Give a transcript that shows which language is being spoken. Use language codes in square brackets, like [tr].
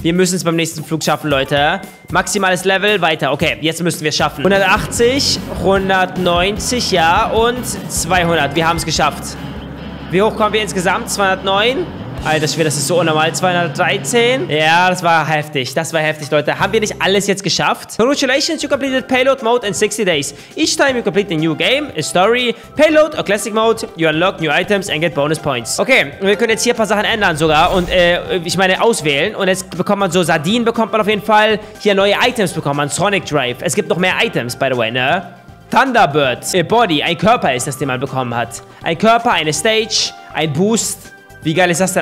[de] Wir müssen es beim nächsten Flug schaffen, Leute. Maximales Level, weiter. Okay, jetzt müssen wir es schaffen. 180, 190, ja, und 200. Wir haben es geschafft. Wie hoch kommen wir insgesamt? 209. Alter Schwede, das ist so unnormal. 213. Ja, das war heftig. Das war heftig, Leute. Haben wir nicht alles jetzt geschafft? [en] Congratulations, you completed payload mode in 60 days. Each time you complete a new game, a story, payload or classic mode, you unlock new items and get bonus points. [de] Okay, wir können jetzt hier ein paar Sachen ändern sogar. Und ich meine auswählen. Und jetzt bekommt man so Sardinen, bekommt man auf jeden Fall. Hier neue Items bekommt man. Sonic Drive. Es gibt noch mehr Items, [en] by the way, [de] ne? Thunderbird. A body. Ein Körper ist das, den man bekommen hat. Ein Körper, eine Stage, ein Boost. Wie geil ist das denn?